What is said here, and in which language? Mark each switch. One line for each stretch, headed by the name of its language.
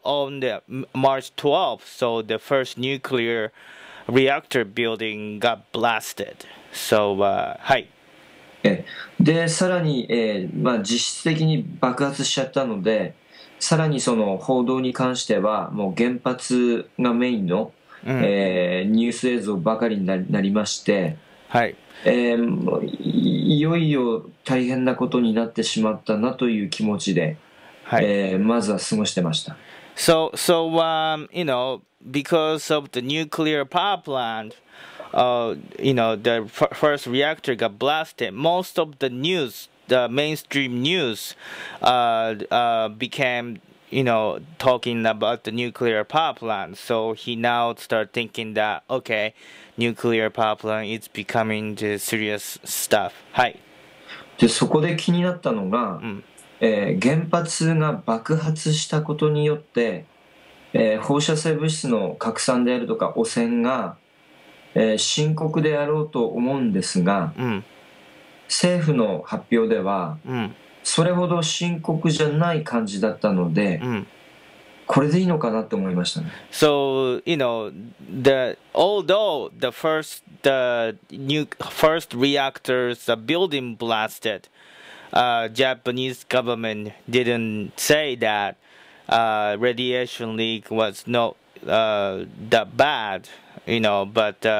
English: on the March 12th, so the first nuclear reactor building got blasted. So, はい。
Japanese: で、さらに、実質的に爆発しちゃったので、さらにその報道に関しては、もう原発がメインのうんニュース映像ばかりになりまして、はい、いよいよ大変なことになってしまったなという気持ちで、はいまずは過ごしてました。
English: So you know, because of the nuclear power plant, you know, the first reactor got blasted. Most of the news, the mainstream news, became. You know, talking about the nuclear power plant. So he now start thinking that, okay, nuclear power plant is becoming the serious stuff.
Japanese: はい。で、そこで気になったのが、うん原発が爆発したことによって、放射性物質の拡散であるとか汚染が、深刻であろうと思うんですが、うん、政府の発表では、うんそれほど深刻じゃない感じだったので、うん、これでいいのかなって思いましたね。
English: So, you know, although the first reactor's building blasted, Japanese government didn't say that radiation leak was not that bad, you know, but